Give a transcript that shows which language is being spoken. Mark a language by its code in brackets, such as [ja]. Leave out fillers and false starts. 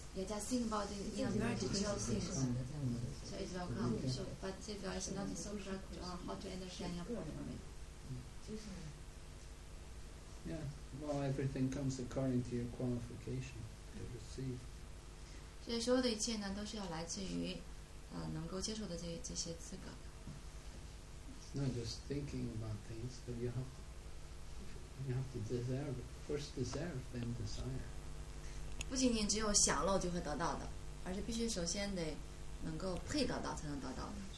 [en] Yeah, just think about it in a very detailed sense. So it's welcome. So, but if it's not so correct on how to understand your problem, right? Yeah, well, everything comes according to your qualification to receive. [zh] 所以所有的一切呢，都是要来自于，能够接受的这些资格。 [en] Not just thinking about things, but you have to deserve first, deserve then desire. [zh] 不仅仅只有享乐就会得到的，而是必须首先得能够配得到才能得到的。